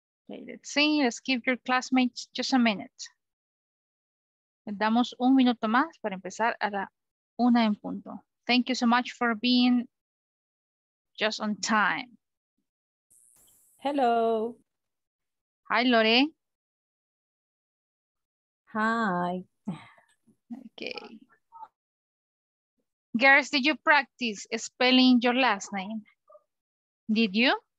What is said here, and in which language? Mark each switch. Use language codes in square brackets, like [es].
[en] Okay, let's see, let's give your classmates just a minute. [es] Damos un minuto más para empezar a la una en punto. [en] Thank you so much for being just on time. Hello. Hi, Lore. Hi. Okay. Girls, did you practice spelling your last name? Did you?